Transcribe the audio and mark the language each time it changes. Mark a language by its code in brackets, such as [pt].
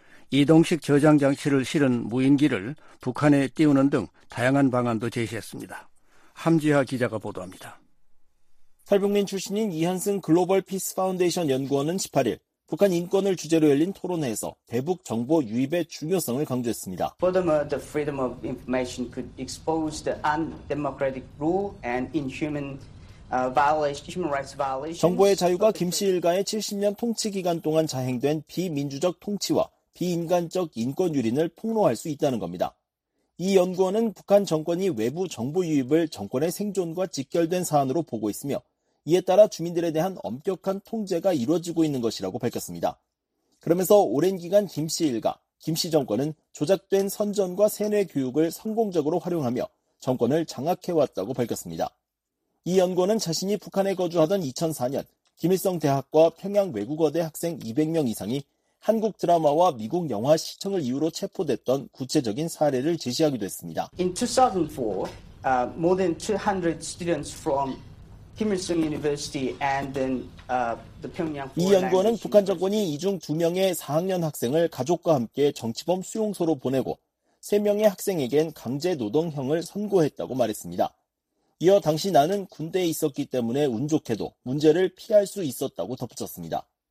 [ko] 이동식 저장 장치를 실은 무인기를 북한에 띄우는 등 다양한 방안도 제시했습니다. 함지하 기자가 보도합니다. 탈북민 출신인 이한승 글로벌 피스 파운데이션 연구원은 18일 북한 인권을 주제로 열린 토론회에서 대북 정보 유입의 중요성을 강조했습니다. [en] Furthermore, the freedom of information could expose the undemocratic rule and inhuman human rights violations. [ko] 정보의 자유가 김씨 일가의 70년 통치 기간 동안 자행된 비민주적 통치와 비인간적 인권 유린을 폭로할 수 있다는 겁니다. 이 연구원은 북한 정권이 외부 정보 유입을 정권의 생존과 직결된 사안으로 보고 있으며 이에 따라 주민들에 대한 엄격한 통제가 이루어지고 있는 것이라고 밝혔습니다. 그러면서 오랜 기간 김씨 일가, 김씨 정권은 조작된 선전과 세뇌 교육을 성공적으로 활용하며 정권을 장악해왔다고 밝혔습니다. 이 연구원은 자신이 북한에 거주하던 2004년 김일성 대학과 평양 외국어대 학생 200명 이상이 한국 드라마와 미국 영화 시청을 이유로 체포됐던 구체적인 사례를 제시하기도 했습니다. [en] In 2004, more than 200 students from Kim Il-sung University and then the Pyongyang. [ko] 이 연구원은 북한 정권이 이 중 두 명의 4학년 학생을 가족과 함께 정치범 수용소로 보내고 세 명의 학생에겐 강제 노동형을 선고했다고 말했습니다. 이어 당시 나는 군대에 있었기 때문에 운 좋게도 문제를 피할 수 있었다고 덧붙였습니다.